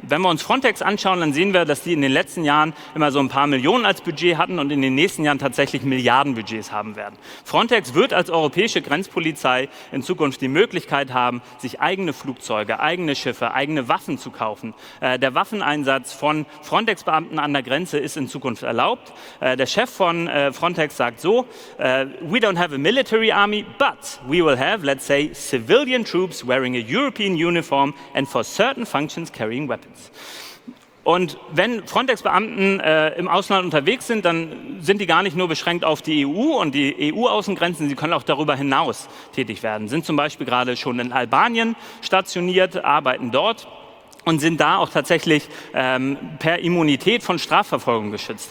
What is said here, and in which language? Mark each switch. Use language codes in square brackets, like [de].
[de] Wenn wir uns Frontex anschauen, dann sehen wir, dass die in den letzten Jahren immer so ein paar Millionen als Budget hatten und in den nächsten Jahren tatsächlich Milliardenbudgets haben werden. Frontex wird als europäische Grenzpolizei in Zukunft die Möglichkeit haben, sich eigene Flugzeuge, eigene Schiffe, eigene Waffen zu kaufen. Der Waffeneinsatz von Frontex-Beamten an der Grenze ist in Zukunft erlaubt. Der Chef von Frontex sagt so, [en] we don't have a military army, but we will have, let's say, civilian troops wearing a European uniform and for certain functions carrying weapons. [de] Und wenn Frontex-Beamten im Ausland unterwegs sind, dann sind die gar nicht nur beschränkt auf die EU und die EU-Außengrenzen, sie können auch darüber hinaus tätig werden. Sind zum Beispiel gerade schon in Albanien stationiert, arbeiten dort und sind da auch tatsächlich per Immunität von Strafverfolgung geschützt.